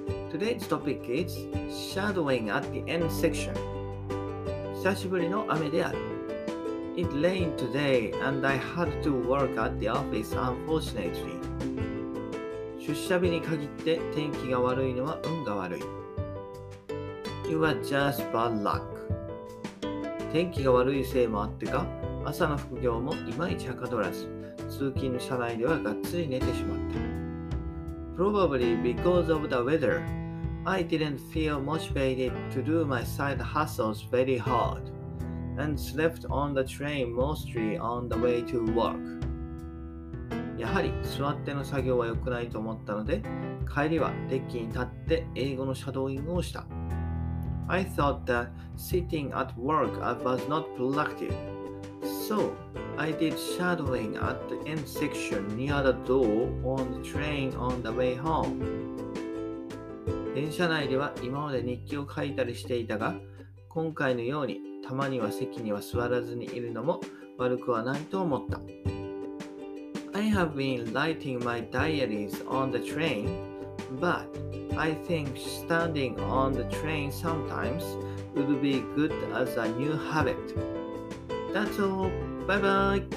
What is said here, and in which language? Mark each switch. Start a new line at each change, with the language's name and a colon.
English: Today's topic is shadowing at the end section.
Japanese: 久しぶりの雨である。
English: It rained today and I had to work at the office unfortunately.
Japanese: 出社日に限って天気が悪いのは運が悪い。
English: You are just bad luck.
Japanese: 天気が悪いせいもあってか、朝の副業もいまいちはかどらず、通勤の車内ではがっつり寝てしまった。
English: Probably because of the weather, I didn't feel motivated to do my side hustles very hard, and slept on the train mostly on the way to work.
Japanese: やはり座っての作業は良くないと思ったので、帰りはデッキに立って英語のシャドーイングをした。
English: I thought that sitting at work was not productive, so I did shadowing at the end section near the door on the train on the way home.
Japanese: 電車内では今まで日記を書いたりしていたが、今回のようにたまには席には座らずにいるのも悪くはないと思った。
English: I have been writing my diaries on the train, but I think standing on the train sometimes would be good as a new habit. That's all. Bye bye.